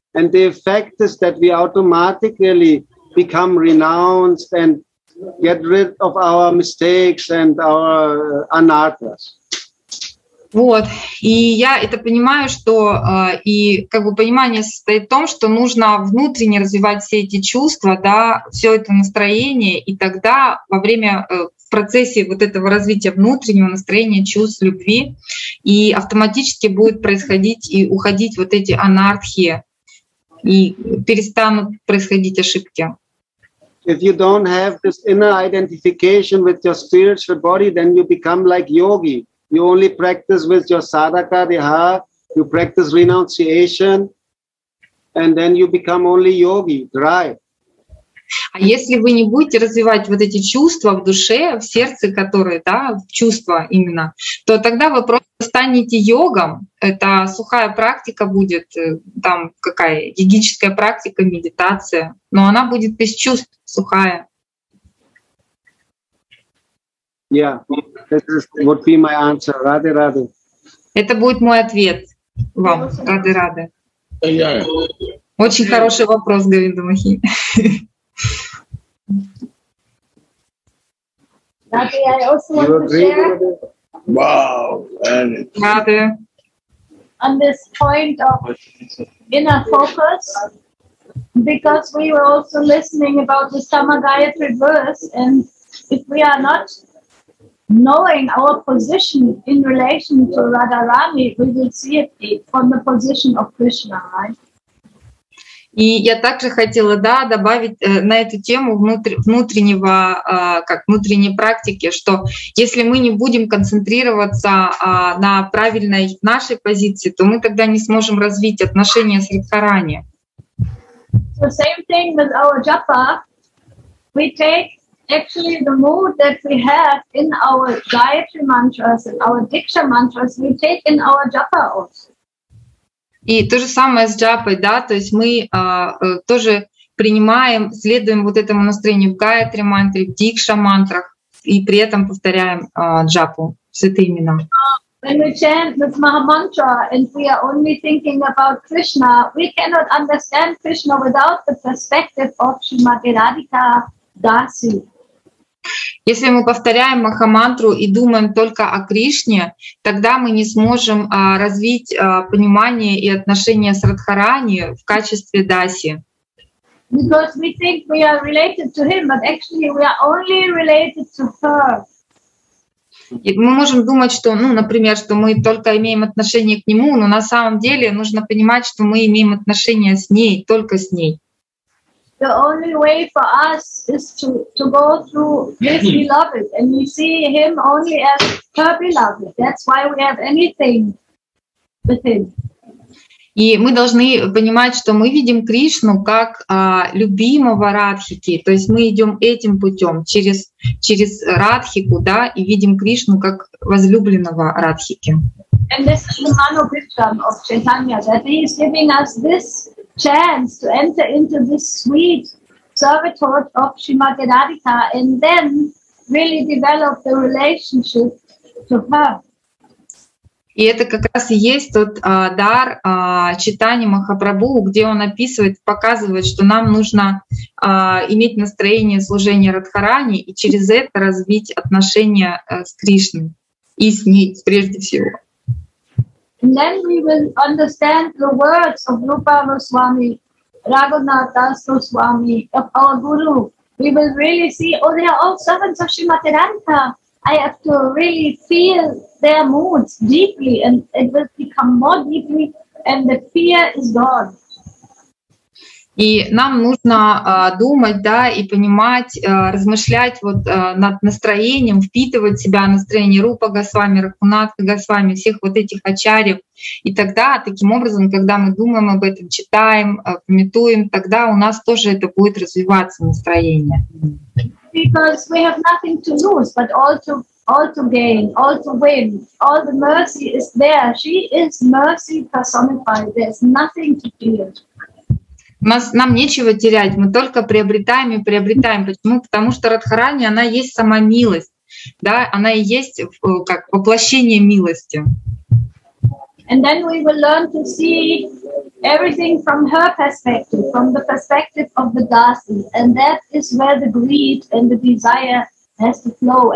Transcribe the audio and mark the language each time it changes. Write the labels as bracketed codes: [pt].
[en] And the effect is that we automatically become renounced and get rid of our mistakes and our anarthas. [ru] Вот, и я это понимаю, что и как бы понимание состоит в том, что нужно внутренне развивать все эти чувства, да, все это настроение, и тогда во время в процессе вот этого развития внутреннего настроения, чувств, любви, и автоматически будет происходить и уходить вот эти анартхи, и перестанут происходить ошибки. [en] If you don't have this inner identification with your spiritual body, then you become like yogi. You only practice with your sadhaka, diha, you practice renunciation, and then you become only yogi, dry. [ru] А если вы не будете развивать вот эти чувства в душе, в сердце, которые, да, чувства именно, то тогда вы просто станете йогом. Это сухая практика будет, там какая, йогическая практика, медитация, но она будет без чувств, сухая. [en] Yeah, this is would be my answer. Rade, rade. [ru] Это будет мой ответ вам. Rade, rade. [en] Yeah. [ru] Очень хороший вопрос, Говинда Махи. [en] Rade, I also want to share. Wow. Rade. On this point of inner focus, because we were also listening about the Samagayatri verse, and if we are not knowing our position in relation to Radharani, we will see it from the position of Krishna, right? [ru] И я также хотела, да, добавить на эту тему внутреннего, как внутренней практики, что если мы не будем концентрироваться на правильной нашей позиции, то мы тогда не сможем развить отношения с Радхарани. [en] The same thing with our japa. We take actually the mood that we have in our Gayatri mantras and our Diksha mantras, we take in our japa also. [ru] И то же самое с джапой, да, то есть мы тоже принимаем, следуем вот этому настроению в Гайатри мантре, в Дикша мантрах, и при этом повторяем джапу, святые имена. [en] When we chant this Maha mantra and we are only thinking about Krishna, we cannot understand Krishna without the perspective of Srimati Radhika Dasi. [ru] Если мы повторяем махамантру и думаем только о Кришне, тогда мы не сможем развить понимание и отношение с Радхарани в качестве даси. [en] Because we think we are related to him, but actually we are only related to her. [ru] Мы можем думать, что, ну, например, что мы только имеем отношение к нему, но на самом деле нужно понимать, что мы имеем отношение с ней, только с ней. [en] The only way for us is to go through this beloved, and we see him only as her beloved. That's why we have anything with him. [ru] И мы должны понимать, что мы видим Кришну как любимого Радхики. То есть мы идем этим путем через Радхику, да, и видим Кришну как возлюбленного Радхики. [en] And this is the Manobhishtam of Chaitanya, that he is giving us this chance to enter into this sweet servitude of Srimati Radhika and then really develop the relationship to her. [ru] И это как раз и есть тот дар Чайтаньи Махапрабху, где он описывает, показывает, что нам нужно иметь настроение служения Радхарани и через это развить отношения с Кришной и с ней прежде всего. [en] And then we will understand the words of Rupa Goswami, Raghunath Das Goswami, of our guru. We will really see, oh, they are all servants of Srimati Radhika. I have to really feel their moods deeply, and it will become more deeply, and the fear is gone. [ru] И нам нужно думать, да, и понимать, размышлять вот над настроением, впитывать в себя настроение Рупа Госвами, Рагхунатха Госвами, всех вот этих ачарьев. И тогда, таким образом, когда мы думаем об этом, читаем, пометуем, тогда у нас тоже это будет развиваться настроение. [en] Because we have nothing to lose, but all to gain, all to win. All the mercy is there. She is mercy personified. There's nothing to fear. [ru] Нам нечего терять, мы только приобретаем и приобретаем. Почему? Потому что Радхарани, она есть сама милость, да, она и есть как воплощение милости. [en] And then we will learn to see everything from her perspective, from the perspective of the dasi. And that is where the greed and the desire has to flow.